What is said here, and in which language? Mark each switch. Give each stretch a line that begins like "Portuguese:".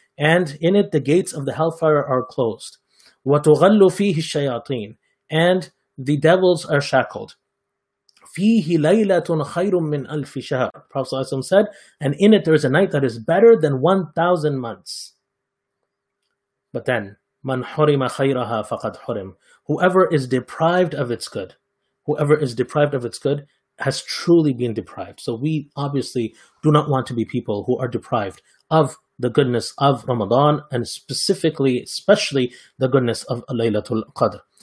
English: And in it, the gates of the hellfire are closed.
Arabic: وَتُغَلُّ فِيهِ الشَّيَاطِينِ.
English: And the devils are shackled.
Arabic: فِيهِ لَيْلَةٌ خَيْرٌ مِّنْ أَلْفِ شَهْرٍ.
English: Prophet ﷺ said, and in it, there is a night that is better than 1,000 months. But then,
Arabic: مَنْ حُرِمَ خَيْرَهَا فَقَدْ حُرِمْ.
English: Whoever is deprived of its good, whoever is deprived of its good has truly been deprived. So we obviously do not want to be people who are deprived of the goodness of Ramadan, and specifically, especially the goodness of Laylatul Qadr.